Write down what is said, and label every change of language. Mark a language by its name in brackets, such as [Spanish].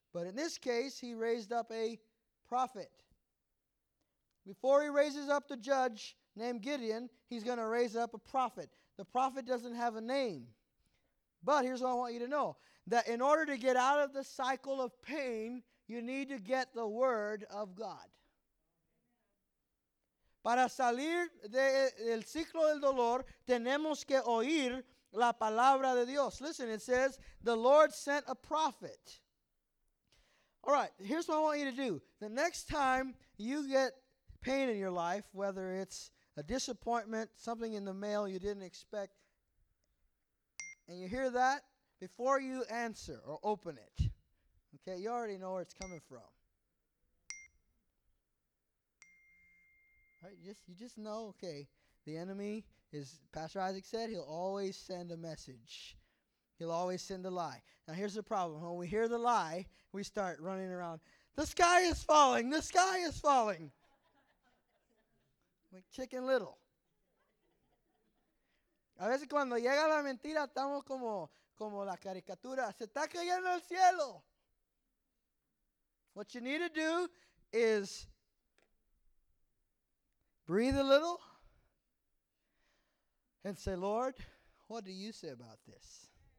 [English] But in this case, he raised up a prophet. Before he raises up the judge named Gideon, he's going to raise up a prophet. The prophet doesn't have a name. But here's what I want you to know. That in order to get out of the cycle of pain, you need to get the word of God. [Spanish] Para salir del ciclo del dolor, tenemos que oír la palabra de Dios. [English] Listen, it says, the Lord sent a prophet. All right, here's what I want you to do. The next time you get pain in your life, whether it's a disappointment, something in the mail you didn't expect, and you hear that, before you answer or open it, okay, you already know where it's coming from. Right? You just know, okay, the enemy is, Pastor Isaac said, he'll always send a message. He'll always send a lie. Now, here's the problem. When we hear the lie, we start running around. The sky is falling. The sky is falling. Like Chicken Little. [Spanish] A veces cuando llega la mentira, estamos como la caricatura. Se está cayendo el cielo. [English] What you need to do is breathe a little. And say, Lord, what do you say about this?